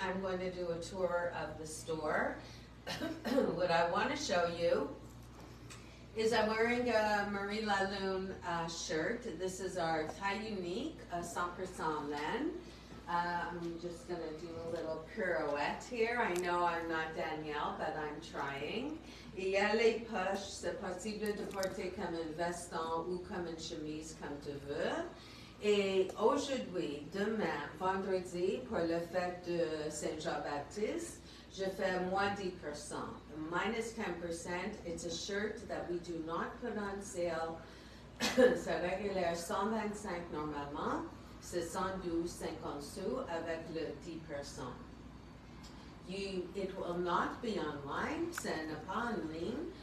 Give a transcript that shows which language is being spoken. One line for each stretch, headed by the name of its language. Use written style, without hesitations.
English: I'm going to do a tour of the store. What I want to show you is I'm wearing a Marie Lalune shirt. This is our Taille Unique 100% laine. I'm just going to do a little pirouette here. I know I'm not Danielle, but I'm trying.
French: Il y a les poches, c'est possible de porter comme un veston ou comme une chemise, comme tu veux. Et aujourd'hui, demain, vendredi, pour le fête de Saint-Jean-Baptiste, je fais -10%, -10%.
English: It's a shirt that we do not put on sale.
French: C'est régulier, 125 normalement. C'est 112.50 sous avec le 10%.
English: It will not be online.
French: Ce n'est pas en ligne.